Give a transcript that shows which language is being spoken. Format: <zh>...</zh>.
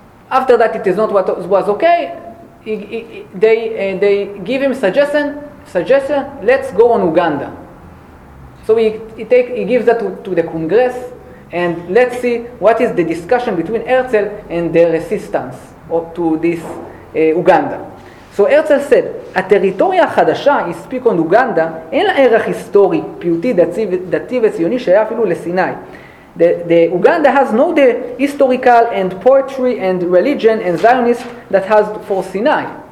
<en>After that, it is not what was okay. They give him suggestion, let's go on Uganda. So he gives that to the Congress, and let's see what is the discussion between Herzl and the resistance to this Uganda. So Herzl said,</en> <he>הטריטוריה החדשה,</he> <en>he speak on Uganda,</en> <he>אין לה ערך היסטורי, פיוטי, דתי וציוני שהיה אפילו לסיני.</he> <en>The Uganda has no the historical and poetry and religion and Zionist that has for Sinai.</en>